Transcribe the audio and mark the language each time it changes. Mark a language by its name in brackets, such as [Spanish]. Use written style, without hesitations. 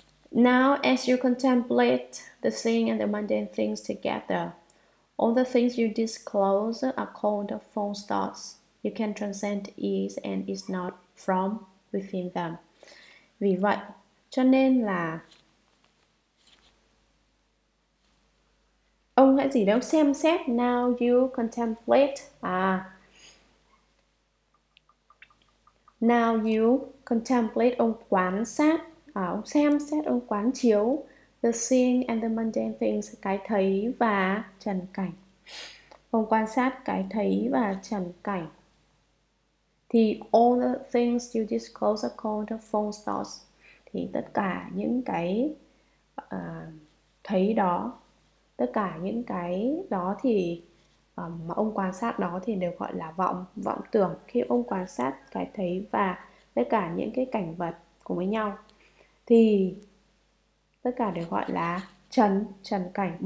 [English] Now, as you contemplate the seeing and the mundane things together, all the things you disclose are called false thoughts. You can transcend is and is not from within them. [Vietnamese] Vì vậy, cho nên là ông hãy gì đâu xem xét. [English] Now you contemplate. Now you contemplate, [Vietnamese] ông quan sát, ông xem xét, ông quán chiếu [English] the seeing and the mundane things, [Vietnamese] cái thấy và trần cảnh. Ông quan sát cái thấy và trần cảnh. Thì [English] all the things you disclose are called false thoughts. [Vietnamese] Thì tất cả những cái thấy đó, tất cả những cái đó thì mà ông quan sát đó thì đều gọi là vọng, vọng tưởng. Khi ông quan sát cái thấy và tất cả những cái cảnh vật cùng với nhau thì tất cả đều gọi là trần, trần cảnh.